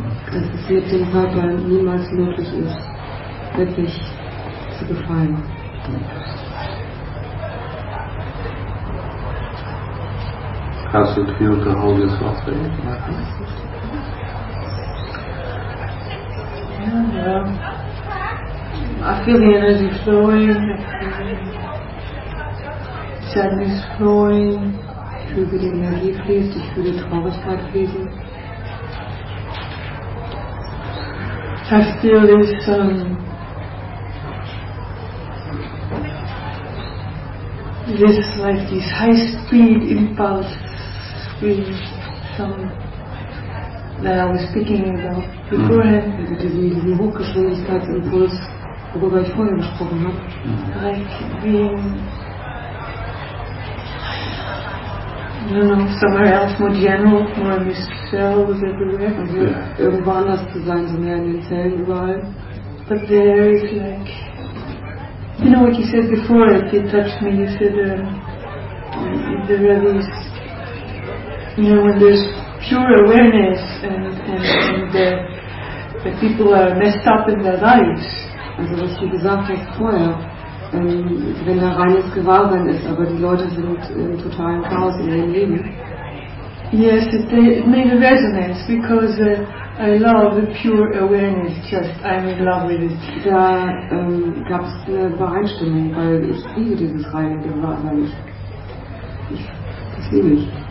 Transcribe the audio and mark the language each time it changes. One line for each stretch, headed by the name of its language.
German: Dass es mit dem Körper niemals möglich ist, wirklich zu befreien.
English: How does it feel to hold yourself there? I feel the energy flowing, sadness flowing.
German: Ich fühle, wie die Energie fließt, ich fühle Traurigkeit fließen.
English: I feel this this like this high speed impulse with some that I was speaking about beforehand.
German: Diese Hochgeschwindigkeitsimpuls, worüber ich vorhin gesprochen habe.
English: Like being somewhere else, more general, more in these cells everywhere. Also, yeah.
German: Irgendwo anders zu sein, so mehr in den Zellen überall.
English: But there is like, you know what you said before, if you touched me, you said there are these, you know, when there's pure awareness and the people are messed up in their lives.
German: Also was du gesagt hast vorher. Wenn da reines Gewahrsein ist, aber die Leute sind im totalen Chaos in ihrem Leben.
English: Yes, it made a resonance because I love the pure awareness, just I'm in love with it.
German: Da gab es eine Übereinstimmung, weil ich liebe dieses reine Gewahrsein. Ich das liebe ich.